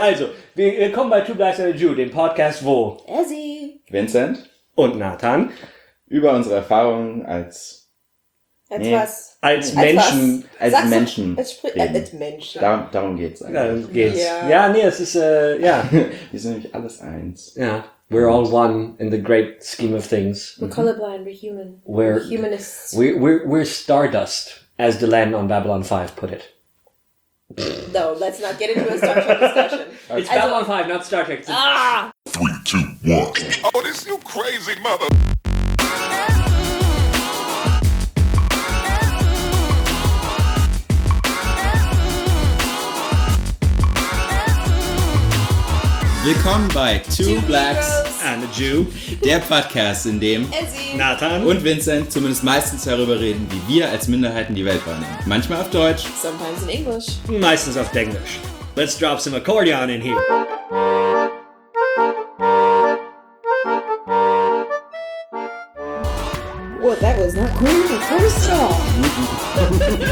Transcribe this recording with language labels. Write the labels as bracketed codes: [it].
[de] Also, willkommen bei Two Guys and a Jew, dem Podcast, wo Ezzy, Vincent und Nathan über unsere Erfahrungen als Als Menschen. Als Menschen. Darum geht es eigentlich. Ja, es ist. Wir sind nämlich alles eins. Ja. [en] We're all one in the great scheme of things. We're colorblind, we're human. We're humanists. We're stardust, as the land on Babylon 5 put it. No, let's not get into a Star Trek discussion. It's Babylon 5, not Star Trek. Three, two, one. Oh, this new crazy mother. [de] Willkommen bei Two Blacks and a Jew, der Podcast, in dem Nathan und Vincent zumindest meistens darüber reden, wie wir als Minderheiten die Welt wahrnehmen. Manchmal auf Deutsch, [en] sometimes in English, [de] meistens auf Englisch. [en] Let's drop some accordion in here. What, that was not groovy, first of all.